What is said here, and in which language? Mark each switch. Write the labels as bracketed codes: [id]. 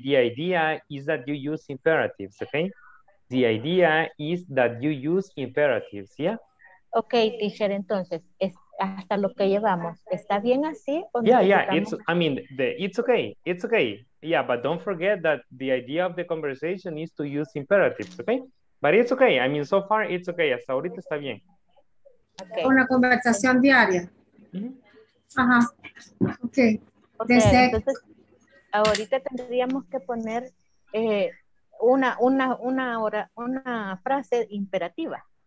[en] The idea is that you use imperatives, okay? The idea is that you use imperatives, yeah? [es] Okay, teacher, entonces, hasta lo que llevamos, ¿está bien así? [en] It's okay. Yeah, but don't forget that the idea of the conversation is to use imperatives, okay? But it's okay, I mean, so far it's okay, [es] hasta ahorita está bien. Okay. Una conversación diaria. Ajá, okay. Entonces, ahorita tendríamos que poner una frase imperativa.